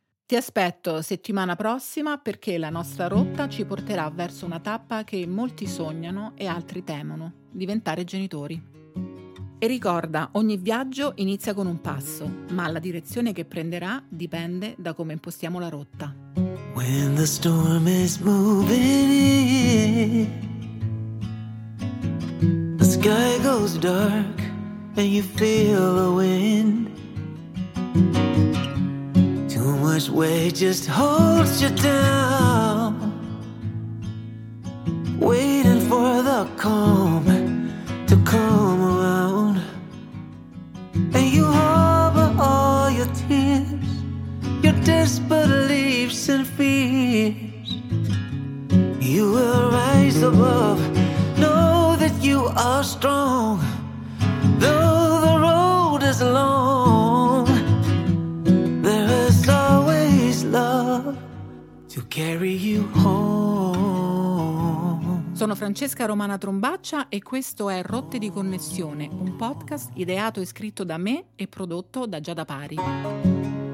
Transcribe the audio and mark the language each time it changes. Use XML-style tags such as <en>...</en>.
<it>Ti aspetto settimana prossima perché la nostra rotta ci porterà verso una tappa che molti sognano e altri temono: diventare genitori. E ricorda, ogni viaggio inizia con un passo, ma la direzione che prenderà dipende da come impostiamo la rotta.</it> <en>When the storm is moving in, the sky goes dark and you feel the wind. Too much weight just holds you down. Waiting for the calm to come around. And you harbor all your tears, your disbeliefs and fears. You will rise above, know that you are strong, though the road is long. There is always love to carry you home.</en> <it>Sono Francesca Romana Trombaccia e questo è Rotte di Connessione, un podcast ideato e scritto da me e prodotto da Giada Pari.</it>